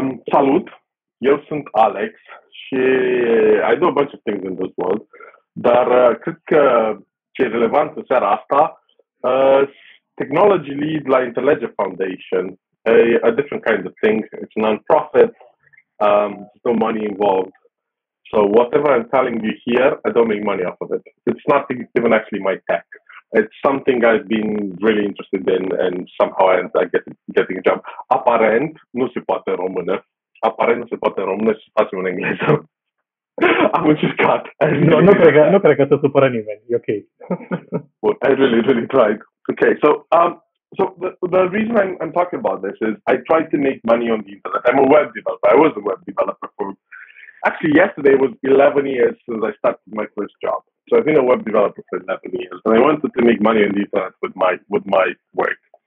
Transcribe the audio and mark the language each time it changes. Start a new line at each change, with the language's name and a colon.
Romanian: Salut, eu sunt Alex și
English: I do a bunch of things in this world,
Romanian: dar cred că ce e relevant în seara asta,
English: technology lead la Intellegia Foundation, a different kind of thing, it's a non-profit, there's no money involved, so whatever I'm telling you here, I don't make money off of it, it's not even actually my tech. It's something I've been really interested in and somehow I ended up getting a job.
Romanian: Aparent, nu se poate în română. Aparent, nu se poate în română și facem în engleză. Am încercat. Nu cred că se supără nimeni. E ok.
English: Well, I really, really tried. Okay, so the reason I'm talking about this is I tried to make money on the internet. I'm a web developer. I was a web developer for... Actually, yesterday was 11 years since I started my first job. So I've been a web developer for 11 years, and I wanted to make money on the internet with my work.